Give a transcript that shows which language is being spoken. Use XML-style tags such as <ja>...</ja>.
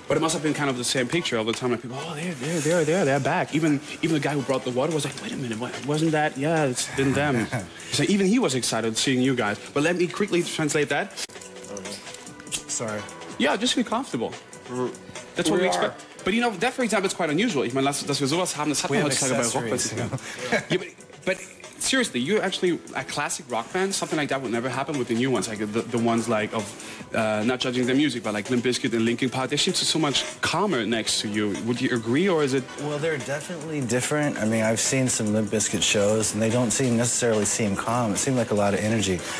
<en>But it must have been kind of the same picture all the time. Like, people, oh, they're back. Even the guy who brought the water was like, wait a minute, wasn't that? Yeah, it's been them. So even he was excited seeing you guys. But let me quickly translate that. Sorry. Yeah, just be comfortable. That's what we expect. But you know, that for example is quite unusual.</en> <de>Ich meine, dass wir sowas haben, das hat man heutzutage bei Rockbands.</de> <en>But seriously, you're actually a classic rock band. Something like that would never happen with the new ones. Like the ones like of not judging their music, but like Limp Bizkit and Linkin Park. They seem so much calmer next to you. Would you agree or is it? Well, they're definitely different. I mean, I've seen some Limp Bizkit shows and they don't necessarily seem calm. It seemed like a lot of energy.</en>